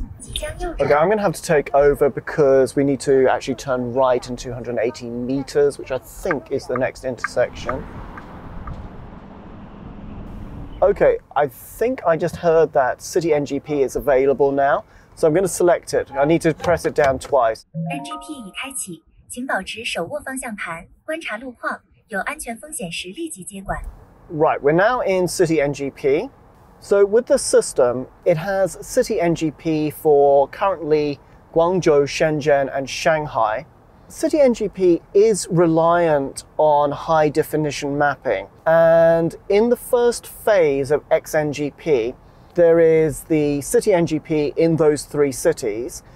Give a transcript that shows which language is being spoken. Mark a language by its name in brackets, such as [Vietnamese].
[English] Okay, I'm going to have to take over because we need to actually turn right in 280 meters, which I think is the next intersection. Okay, I think I just heard that City NGP is available now, so I'm going to select it. I need to press it down twice. [Chinese] NGP 已开启, 请保持手握方向盘, 观察路况, 有安全风险时立即接管. [English] Right, we're now in City NGP. So with the system, it has City NGP for currently Guangzhou, Shenzhen, and Shanghai. City NGP is reliant on high definition mapping. And in the first phase of XNGP, there is the City NGP in those three cities.